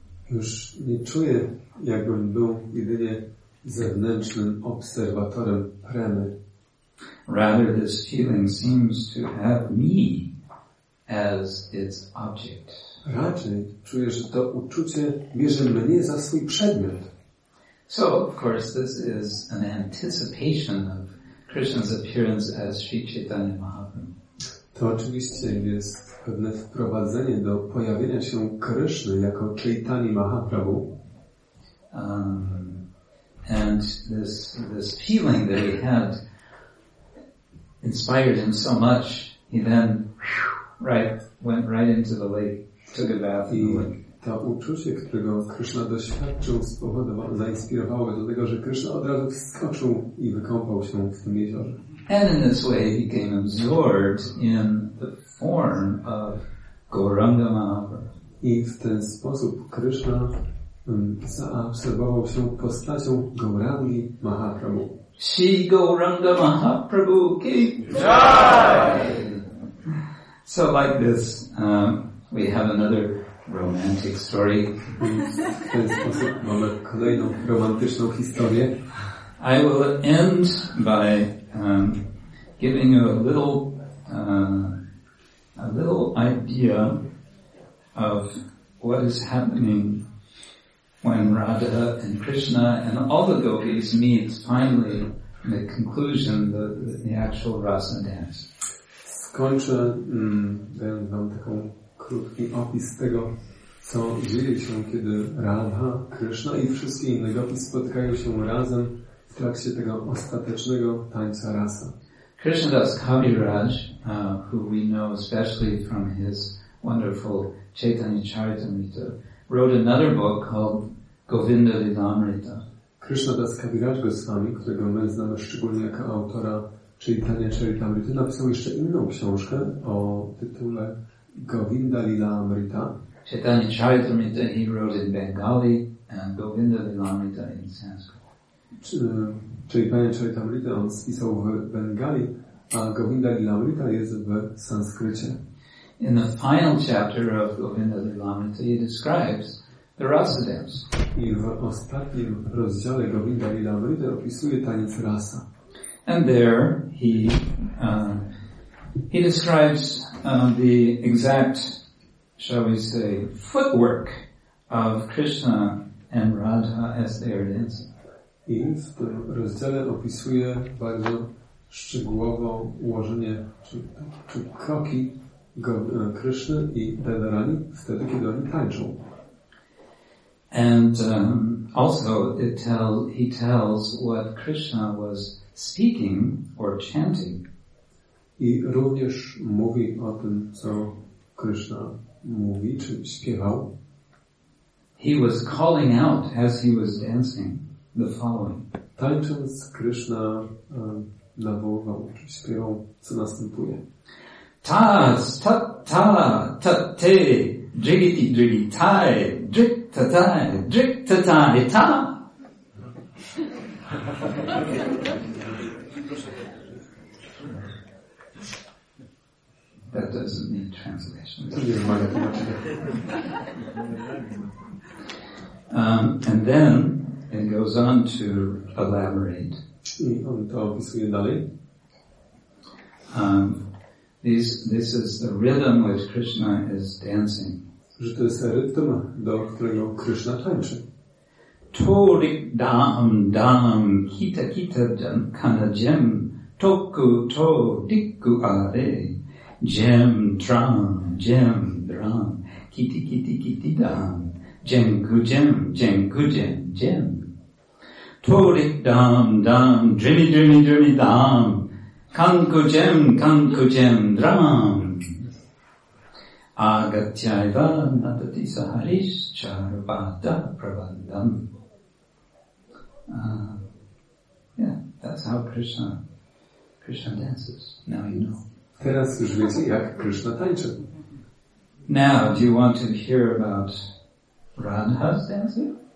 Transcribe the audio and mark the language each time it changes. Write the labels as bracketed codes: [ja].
[pl] Już nie czuję, jakbym był jedynie zewnętrznym obserwatorem premy. [en] Rather, this feeling seems to have me as its object. [pl] Raczej czuję, że to uczucie bierze mnie za swój przedmiot. [en] So, of course, this is an anticipation of Krishna's appearance as Sri Chaitanya Mahaprabhu. [pl] To oczywiście jest pewne wprowadzenie do pojawienia się Krishny jako Chaitanya Mahaprabhu. [en] And this feeling that he had inspired him so much, he then went right into the lake, took a bath. [pl] I to uczucie, którego Krishna doświadczył, zainspirowało go do tego, że Krishna od razu wskoczył i wykąpał się w tym jeziorze. [en] And in this way, he became absorbed in the form of Gauranga Mahaprabhu. [pl] I w ten sposób Krishna zaabsorbował się postacią Gaurangi Mahaprabhu. Shri Gauranga Mahaprabhu ki jai! [en] So like this, we have another romantic story. [pl] W ten sposób mamy kolejną romantyczną historię. [en] I will end by giving you a little idea of what is happening when Radha and Krishna and all the gopis meet finally in the conclusion, the actual rasa dance. [pl] Skończę wam taką krótki opis tego, co dzieje się, kiedy Radha, Krishna i wszystkie inne gopi spotkają się razem w trakcie tego ostatecznego tańca rasa. [en] Krishna das Kaviraj, who we know especially from his wonderful Chaitanya Charitamrita, wrote another book called Govinda Lilamrita. [pl] Krishna das Kaviraj Goswami, którego my znamy szczególnie jako autora Chaitanya Charitamrita, napisał jeszcze inną książkę o tytule Govinda Lilamrita. [en] Chaitanya Charitamrita he wrote in Bengali and Govinda Lilamrita in Sanskrit. [pl] Czyli Panie Charitamrita on spisał w Bengali, a Govinda Lilamrita jest w sanskrycie. [en] In the final chapter of Govinda Lilamrita he describes the rasa dance. [pl] I w ostatnim rozdziale Govinda Lilamrita opisuje taniec rasa. [en] And there he describes the exact, shall we say, footwork of Krishna and Radha as they are dancing. [pl] I w tym rozdziale opisuje bardzo szczegółowo ułożenie czy kroki Kryszny i Radharani wtedy, kiedy oni tańczą. [en] And also he tells what Krishna was speaking or chanting. [pl] I również mówi o tym, co Krishna mówi czy śpiewał. [en] He was calling out as he was dancing. The following. [pl] Tańcząc Krishna nawoływał, czy śpiewał, co następuje. Tas, ta, ta, ta, te, jigiti, jigi, tai, jig, ta, tai, jig, ta, tai, ta. [en] That doesn't need translation. and then, and goes on to elaborate. [pl] I on to opisuje dalej. [en] This is the rhythm which Krishna is dancing. [pl] Że to jest rytm, do którego Krishna tańczy. Torik dam dam kita kita jam kana jem toku to diku are jem dram kiti kiti kiti dam jem gu jem jem gu jem jem Tori dam dam drimi drimi drimi dam kanku jem dram agatyaiva natati saharis charvada pravandam. [en] That's how Krishna dances. Now you know. [pl] Teraz już wiecie, jak Krishna tańczy. [en] Now, do you want to hear about Radha's dancing?